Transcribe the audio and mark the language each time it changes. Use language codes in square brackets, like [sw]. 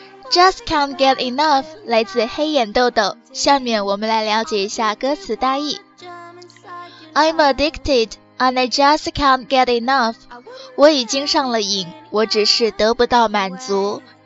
[zh] Just can't get enough 来自黑眼豆豆。下面我们来了解一下歌词大意。 [en] I'm addicted, and I just can't get enough. [zh] 我已经上了瘾，我只是得不到满足。